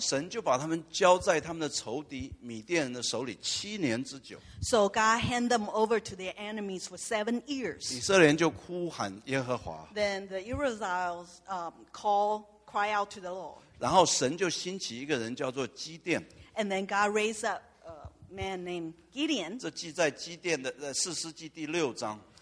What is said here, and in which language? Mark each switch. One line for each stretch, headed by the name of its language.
Chinese: 神就把他们交在他们的仇敌米甸人的手里, 7年之久,
English: so God handed them over to their enemies for 7 years.
Chinese: 以色列人就哭喊耶和华,
English: then the Israelites cry out to the Lord.
Chinese: 然后神就兴起一个人叫做基甸,
English: and then God raised up a man named Gideon.
Chinese: 这记在基甸的, 四世纪第六章,